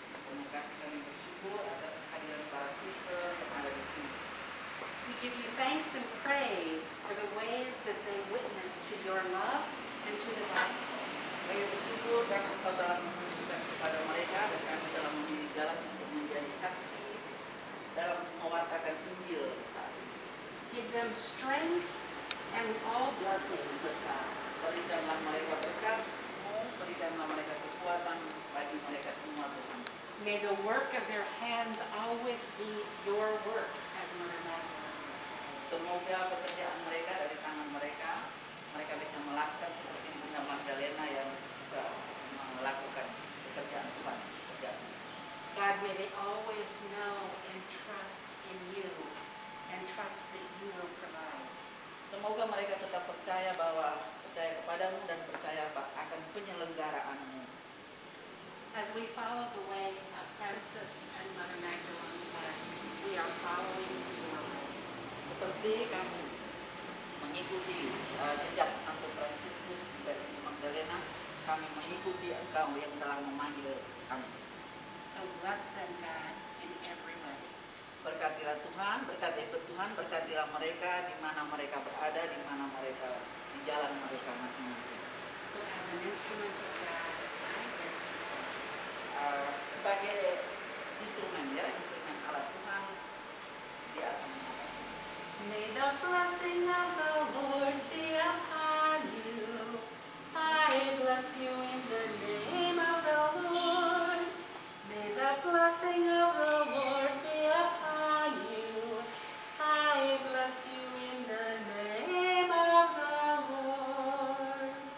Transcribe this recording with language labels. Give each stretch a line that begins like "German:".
Indonesian: Terima kasih, kami bersyukur atas kehadiran para suster yang ada di sini.
English: We give you thanks and praise for the ways that they witness to your love and to the gospel.
Indonesian: Kami bersyukur dan engkau telah menunjukkan kepada mereka dan kami dalam memilih jalan untuk menjadi saksi dalam mewartakan Injil saat ini.
English: Give them strength and all blessings,
Indonesian: berkat. Berikanlah mereka berkat-Mu, berikanlah mereka kekuatan bagi mereka semua, Tuhan.
English: May the work of their hands always be your work, as Mother Magdalene.
Indonesian: Semoga pekerjaan mereka dari tangan mereka, mereka bisa melakukan seperti Bunda Magdalena yang juga melakukan pekerjaan Tuhan.
English: God, may they always know and trust in you, and trust that you will provide.
Indonesian: Semoga mereka tetap percaya bahwa percaya kepadamu dan percaya akan penyelenggaraanmu.
English: As we follow the way of Francis and Mother Magdalene, we are following your way.
Indonesian: Seperti kamu mengikuti jejak Santo Fransiskus dan Magdalena, kami mengikuti engkau yang telah memanggil kami.
English: So bless them, God, in every way.
Indonesian: Berkatilah Tuhan, berkatilah Tuhan, berkatilah mereka di mana mereka berada, di mana mereka di jalan mereka masing-masing.
English: So as an instrument of God, I get to say.
Indonesian: Sebagai instrumen, ya, instrumen alat Tuhan, dia akan mengatakan.
English: May the blessing of the Lord be upon you. I bless you in the name of the Lord. May the blessing of the Lord be upon you. I bless you in the name of the Lord.